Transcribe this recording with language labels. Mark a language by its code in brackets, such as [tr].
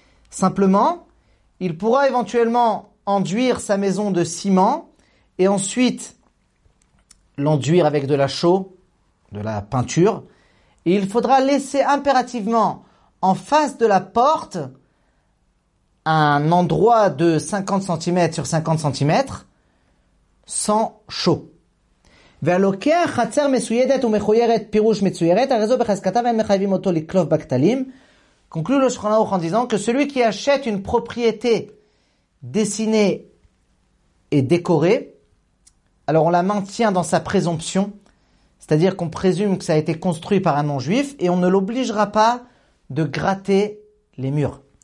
[fr] Simplement, il pourra éventuellement enduire sa maison de ciment et ensuite l'enduire avec de la chaux, de la peinture. Et il faudra laisser impérativement en face de la porte un endroit de 50 cm sur 50 cm sans chaux. [he] והלוקח חצר מסוידת ומחוירת פירוש מצוירת, הרי זו בחזקתה ואין מחייבים אותו לקלוף בקטלים. [fr] Conclut le Shulchan Aruch en disant que celui qui achète une propriété dessinée et décorée, alors on la maintient dans sa présomption, c'est-à-dire qu'on présume que ça a été construit par un non-juif et on ne l'obligera pas de gratter les murs.